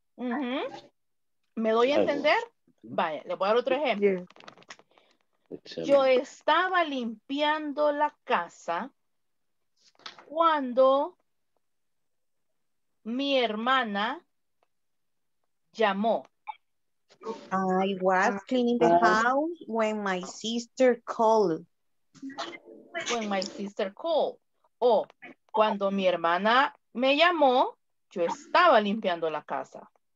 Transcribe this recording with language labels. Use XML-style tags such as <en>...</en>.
<es>Mm-hmm. ¿Me doy a entender? Vaya, le voy a dar otro ejemplo. Yo estaba limpiando la casa cuando mi hermana llamó.</es> <en>I was cleaning the house when my sister called. When my sister called.</en> <es>Oh, cuando mi hermana me llamó, yo estaba limpiando la casa.</es>